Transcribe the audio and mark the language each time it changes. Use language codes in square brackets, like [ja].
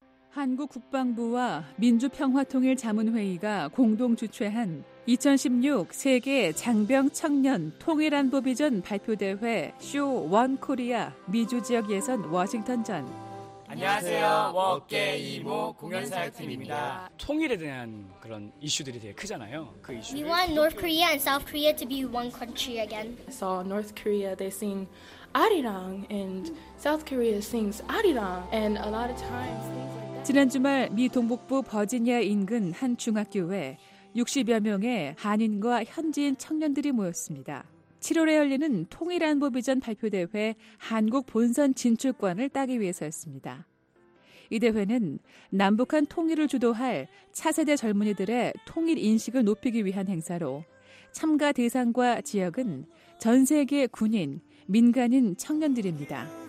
[ko] 한국 국방부와 민주평화통일자문회의가 공동 주최한 2016 세계 장병 청년 통일안보 비전 발표대회 쇼 원 코리아 미주 지역 예선 워싱턴전. 안녕하세요. 워케 이모 공연사역팀입니다. 통일에 대한 그런 이슈들이 되게 크잖아요. 그 이슈. [en] We want North Korea and South Korea to be one country again. So North Korea they sing Arirang and South Korea sings Arirang and a lot of times. [ko] 지난 주말 미 동북부 버지니아 인근 한 중학교에 60여 명의 한인과 현지인 청년들이 모였습니다. 7월에 열리는 통일안보비전 발표대회 한국 본선 진출권을 따기 위해서였습니다. 이 대회는 남북한 통일을 주도할 차세대 젊은이들의 통일 인식을 높이기 위한 행사로 참가 대상과 지역은 전 세계 군인, 민간인 청년들입니다.